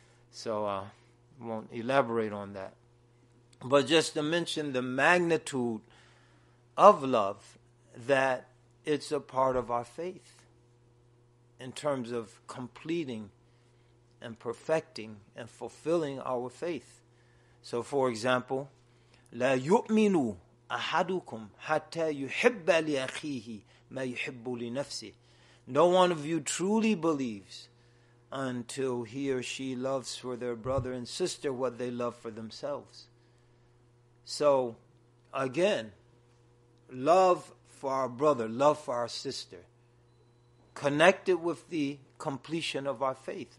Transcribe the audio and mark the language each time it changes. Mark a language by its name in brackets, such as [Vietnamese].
[English] So I won't elaborate on that. But just to mention the magnitude of love, that it's a part of our faith in terms of completing and perfecting and fulfilling our faith. [Arabic] So for example, لا يؤمن أحدكم حتى يحب لأخيه ما يحب لنفسه. [English] No one of you truly believes until he or she loves for their brother and sister what they love for themselves. So, again, love for our brother, love for our sister, connected with the completion of our faith.